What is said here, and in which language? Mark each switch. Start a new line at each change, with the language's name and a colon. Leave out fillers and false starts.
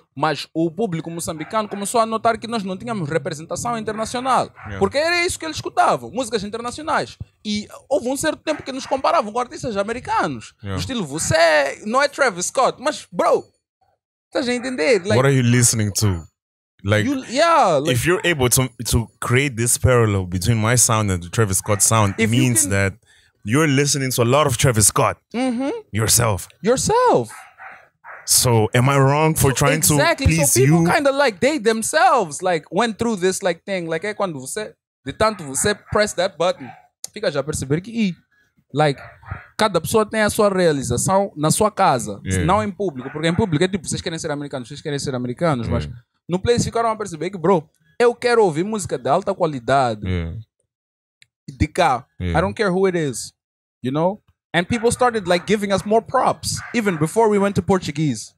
Portuguese: Mas o público moçambicano começou a notar que nós não tínhamos representação internacional.
English: Yeah.
Portuguese: Porque era isso que eles escutavam, músicas internacionais. E houve um certo tempo que nos comparavam com artistas americanos.
English: Yeah.
Portuguese: Estilo, você não é Travis Scott, mas bro, estás a entender?
English: Like, what are you listening to? Like, like, if you're able to create this parallel between my sound and the Travis Scott sound, it means you can, that you're listening to a lot of Travis Scott yourself. Yourself. So am I wrong for trying exactly. to please so people you? Kind of like they themselves like went through this like thing.
Portuguese: Like, hey, quando você, de tanto você
English: press that button,
Portuguese: fica já perceber que, like, cada pessoa tem a sua realização na sua casa, não em público. Porque em público é tipo, vocês querem ser americanos, mas
English: no place
Portuguese: ficaram a perceber que, bro, eu quero ouvir música de alta qualidade, de cá.
English: Yeah. I don't care who it is, you know? And people started like giving us more props even before we went to Portuguese.